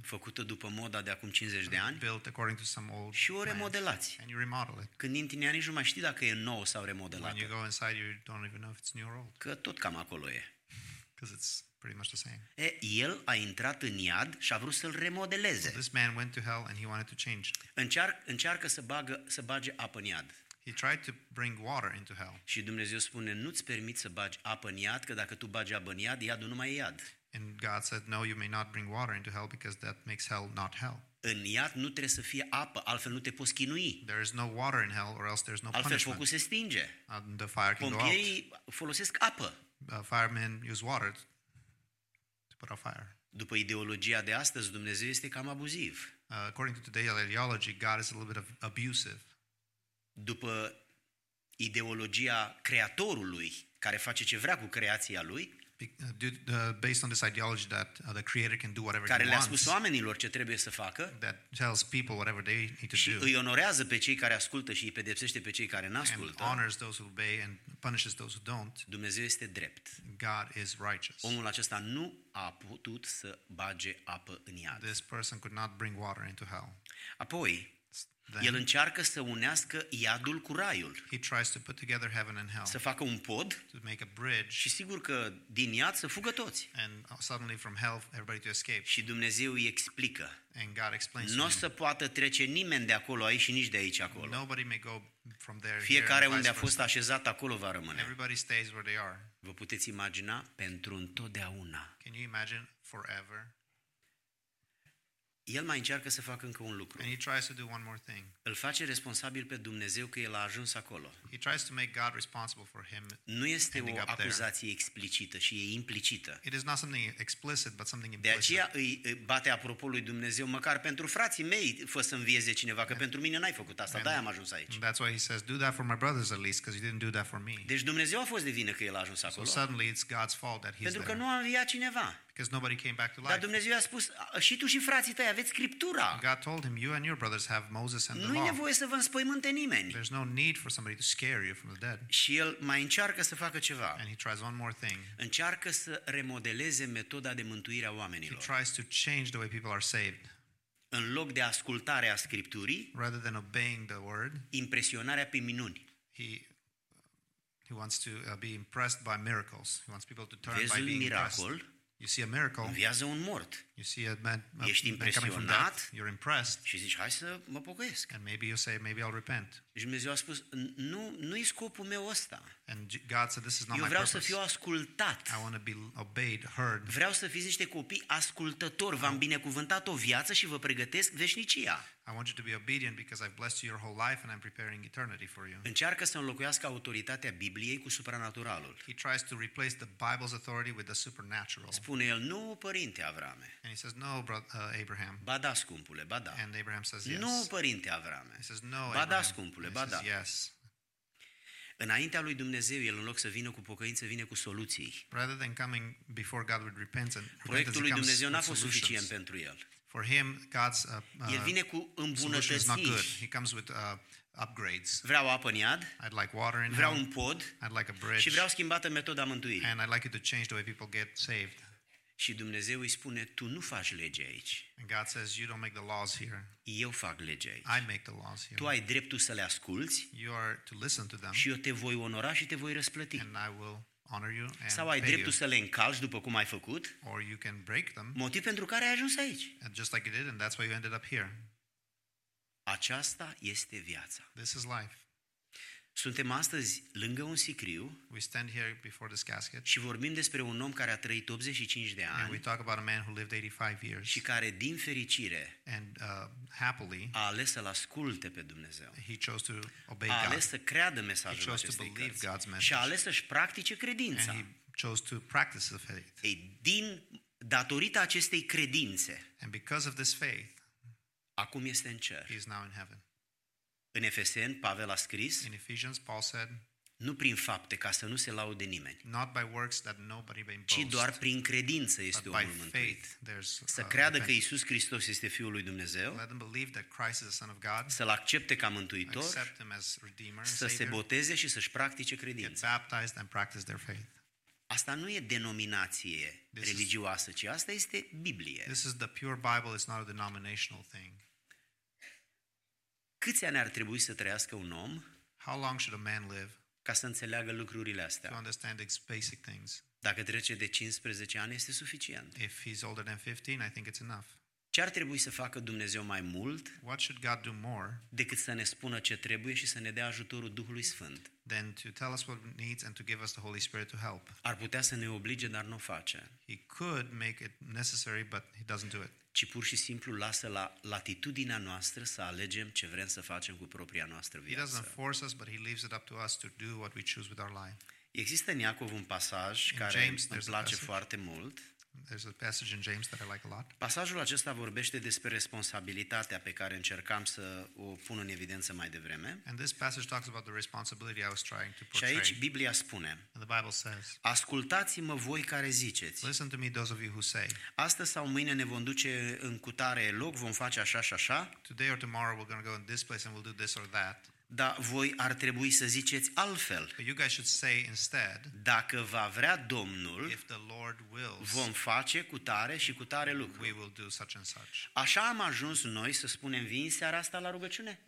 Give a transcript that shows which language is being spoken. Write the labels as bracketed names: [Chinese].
[Romanian] Făcută după moda de acum 50 de ani. [English] Built according to some old. [Romanian] Și o remodelați. [English] And you remodel it. [Romanian] Când intri în ea, nici nu mai știi dacă e nou sau remodelată. [English] When you go inside, you don't even know if it's new or old. [Romanian] Că tot cam acolo e. [English] Because it's pretty much the same. [Romanian] E, el a intrat în iad și a vrut să-l remodeleze. [English] So this man went to hell and he wanted to change. [Romanian] Încearcă să bage apă în iad. [English] He tried to bring water into hell. [Romanian] Și Dumnezeu spune, nu-ți permit să bagi apă în iad, că dacă tu bagi apă în iad, iadul nu mai e iad. [English] And God said, no, you may not bring water into hell because that makes hell not hell. [Romanian] În iad nu trebuie să fie apă, altfel nu te poți chinui. [English] There is no water in hell or else there's no [Romanian] altfel [English] punishment. [Romanian] Altfel focul se stinge. [English] And the fire can [Romanian] pompierii [English] go out. [Romanian] Pompierii folosesc apă. [English] Firemen use water to put out fire. [Romanian] După ideologia de astăzi, Dumnezeu este cam abuziv. [English] According to today's ideology, God is a little bit abusive. [Romanian] După ideologia creatorului, care face ce vrea cu creația lui, [English] based on this ideology that the creator can do whatever [Romanian] care [English] he wants, [Romanian] spus oamenilor ce trebuie să facă, [English] that tells people whatever they need to [Romanian] și [English] do, [Romanian] îi onorează pe cei care ascultă și îi pedepsește pe cei care n-ascultă, [English] and honors those who obey and punishes those who don't, [Romanian] Dumnezeu este drept. [English] God is righteous. [Romanian] Omul acesta nu a putut să bage apă în iad. [English] This person could not bring water into hell. [Romanian] Apoi, [English] then, [Romanian] el încearcă să unească iadul cu raiul. [English] He tries to put together heaven and hell. [Romanian] Să facă un pod. [English] To make a bridge. [Romanian] Și sigur că din iad să fugă toți. [English] And suddenly from hell everybody to escape. [Romanian] Și Dumnezeu îi explică. [English] And God explains. [Romanian] Nu se poate trece nimeni de acolo aici și nici de aici acolo. [English] Nobody may go from there. [Romanian] Fiecare unde a fost așezat acolo va rămâne. [English] Everybody stays where they are. [Romanian] Vă puteți imagina pentru întotdeauna. [English] Can you imagine forever? [Romanian] El mai încearcă să facă încă un lucru. [English] And he tries to do one more thing. [Romanian] Îl face responsabil pe Dumnezeu că el a ajuns acolo. [English] He tries to make God responsible for him. [Romanian] Nu este o acuzație [English] there. [Romanian] Explicită, ci e implicită. [English] It is not something explicit, but something implicit. [Romanian] De aceea îi bate apropo lui Dumnezeu, măcar pentru frații mei, fă să învieze cineva, că pentru mine n-ai făcut asta, de-aia am ajuns aici. [English] That's why he says do that for my brothers at least, because you didn't do that for me. [Romanian] Deci Dumnezeu a fost de vină că el a ajuns acolo. [English] So suddenly it's God's fault that he's there. [Romanian] Pentru că nu a înviat cineva. [English] Because nobody came back to life. [Romanian] Dar Dumnezeu a spus și tu și frații tăi aveți Scriptura. [English] God told him you and your brothers have Moses and the law. [Romanian] Nu e nevoie să vă înspăimânte nimeni. [English] There's no need for somebody to scare you from the dead. [Romanian] Și el mai încearcă să facă ceva. [English] And he tries one more thing. [Romanian] Încearcă să remodeleze metoda de mântuire a oamenilor. [English] He tries to change the way people are saved. [Romanian] În loc de ascultarea Scripturii, [English] rather than obeying the word, [Romanian] impresionarea prin minuni. [English] He wants to be impressed by miracles. He wants people to turn by being miracle, impressed. You see a miracle. [Romanian] Înviază un mort. [English] You see a man, [Romanian] ești impresionat. [English] You're impressed. [Romanian] Și zici, hai să mă pocăiesc. [English] And maybe you say, maybe I'll repent. [Romanian] Și Dumnezeu a spus, nu e scopul meu ăsta. [English] And God said, this is not my purpose. [Romanian] Eu să fiu ascultat. [English] I want to be obeyed, heard. [Romanian] Vreau să fiți niște copii ascultători. V-am binecuvântat o viață și vă pregătesc veșnicia. [English] I want you to be obedient because I've blessed you your whole life and I'm preparing eternity for you. [Romanian] Încearcă să înlocuiască autoritatea Bibliei cu supranaturalul. [English] He tries to replace the Bible's authority with the supernatural. [Romanian] Spune el, nu, părinte Avrame. [English] And he says, no, Abraham. [Romanian] Ba da, scumpule, ba da. [English] And Abraham says, yes. [Romanian] Nu, părinte Avrame. [English] He says, no, [Romanian] ba [English] Abraham. [Romanian] Da, scumpule, ba [English] he says, yes. [Romanian] Înaintea lui Dumnezeu, el în loc să vină cu pocăință, vine cu soluții. [English] Rather than coming before God with repentance, [Romanian] proiectul lui Dumnezeu n-a fost suficient pentru el. [English] For him, God's [Romanian] el vine cu îmbunătățiri. [English] Solution is not good. He comes with upgrades. [Romanian] Vreau apă în iad. [English] I'd like water in [Romanian] vreau [English] him. [Romanian] Un pod. [English] I'd like a bridge. [Romanian] Și vreau schimbată metoda mântuirii. [English] And I'd like it to change the way people get saved. [Romanian] Și Dumnezeu îi spune, tu nu faci lege aici. [English] And God says, you don't make the laws here. [Romanian] Eu fac lege aici. [English] I make the laws here. [Romanian] Tu ai dreptul să le asculți. [English] You are to listen to them. [Romanian] Și eu te voi onora și te voi răsplăti. [English] And I will honor you and [Romanian] sau ai dreptul să le încalci după cum ai făcut? [English] Or you can break them. [Romanian] Motiv pentru care ai ajuns aici. [English] And just like you did, and that's why you ended up here. [Romanian] Aceasta este viața. [English] This is life. [Romanian] Suntem astăzi lângă un sicriu. [English] We stand here before this casket. [Romanian] Și vorbim despre un om care a trăit 85 de ani. [English] And we talk about a man who lived 85 years. [Romanian] Și care din fericire [English] and happily [Romanian] a ales să-l asculte pe Dumnezeu. [English] He chose to obey God. [Romanian] A ales să creadă mesajul acestei cărți. [English] He chose to believe God's message. [Romanian] Și a ales să-și practice credința. [English] And he chose to practice the faith. [Romanian] Ei, din datorită acestei credințe. [English] And because of this faith. [Romanian] Acum este în cer. [English] He is now in heaven. [Romanian] În Efeseni, Pavel a scris, [English] in Ephesians, Paul said, [Romanian] nu prin fapte, ca să nu se laude nimeni, [English] not by works that nobody may boast, [Romanian] ci doar prin credință este [English] but [Romanian] omul mântuit. [English] Faith, [Romanian] să creadă că Iisus Hristos este Fiul lui Dumnezeu, [English] let them believe that Christ is the Son of God, [Romanian] să-L accepte ca Mântuitor, [English] accept him as Redeemer, [Romanian] să se boteze și să-și practice credința. [English] Get baptized and practice their faith. [Romanian] Asta nu e denominație [English] this [Romanian] religioasă, ci asta este Biblie. [English] This is the pure Bible, it's not a denominational thing. [Romanian] Câți ani ar trebui să trăiască un om? [English] How long should a man live? [Romanian] Ca să înțeleagă lucrurile astea. [English] To understand these basic things. [Romanian] Dacă trece de 15 ani, este suficient. [English] If he's older than 15, I think it's enough. [Romanian] Ce ar trebui să facă Dumnezeu mai mult? [English] What should God do more? [Romanian] Decât să ne spună ce trebuie și să ne dea ajutorul Duhului Sfânt. [English] Then to tell us what needs and to give us the Holy Spirit to help. [Romanian] Ar putea să ne oblige, dar nu face. [English] He could make it necessary, but he doesn't do it. [Romanian] Ci pur și simplu lasă la latitudinea noastră să alegem ce vrem să facem cu propria noastră viață. [English] He doesn't force us, but he leaves it up to us to do what we choose with our life. [Romanian] Există în Iacov un pasaj [English] in [Romanian] care [English] James, [Romanian] îmi place foarte mult. [English] There's a passage in James that I like a lot. [Romanian] Pasajul acesta vorbește despre responsabilitatea pe care încercam să o pun în evidență mai devreme. [English] And this passage talks about the responsibility I was trying to portray. [Romanian] Și aici Biblia spune. [English] And the Bible says. [Romanian] Ascultați-mă voi care ziceți. [English] Listen to me, those of you who say. [Romanian] Astăzi sau mâine ne vom duce în cutare loc, vom face așa și așa. [English] Today or tomorrow we're going to go in this place and we'll do this or that. [Romanian] Dar voi ar trebui să ziceți altfel. [English] But you guys should say instead, [Romanian] dacă va vrea Domnul, [English] if the Lord wills, [Romanian] vom face cu tare și cu tare lucru. [English] We will do such and such. [Romanian] Așa am ajuns noi să spunem vineri seara asta la rugăciune.